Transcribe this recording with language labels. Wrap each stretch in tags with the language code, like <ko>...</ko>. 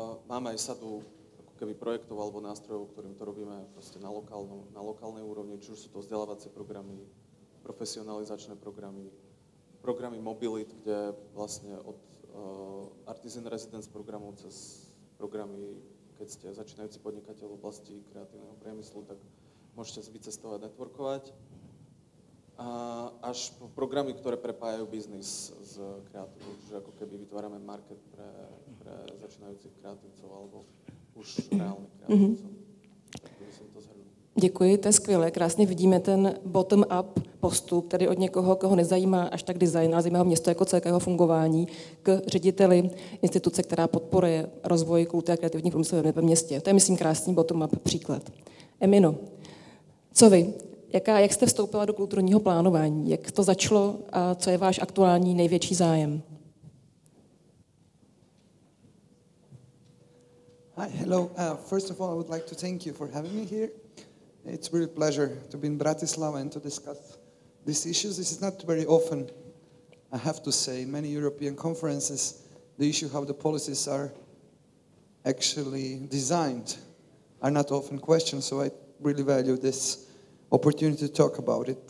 <sk>máme aj sadu ako keby projektov alebo nástrojov, ktorým to robíme proste na lokálnej úrovni, či už sú to vzdelávacie programy, profesionalizačné programy, programy mobility, kde vlastne od Artisan Residence programu cez programy, keď ste začínajúci podnikateľ v oblasti kreatívneho priemyslu, tak môžete vycestovať, networkovať. A až po programy, ktoré prepájajú biznis s kreatívou, čiže ako keby vytvárame market pre začínajúcich kreatívcov alebo už reálnych kreatívcov. Mm-hmm.</sk> <cs>Děkuji, to je skvělé. Krásně vidíme ten bottom-up postup, tedy od někoho, koho nezajímá až tak design, ale zajímá ho město jako celkého fungování, k řediteli instituce, která podporuje rozvoj kultury a kreativní průmysl ve městě. To je, myslím, krásný bottom-up příklad. Emino, co vy? Jak jste vstoupila do kulturního plánování? Jak to začalo a co je váš aktuální největší zájem?</cs> <en>Hi, hello. First of all, I would like to thank you for having me here. It's a real pleasure to be in Bratislava and to discuss these issues. This is not very often, I have to say, in many European conferences, the issue how the policies are actually designed are not often questioned, so I really value this opportunity to talk about it.</en>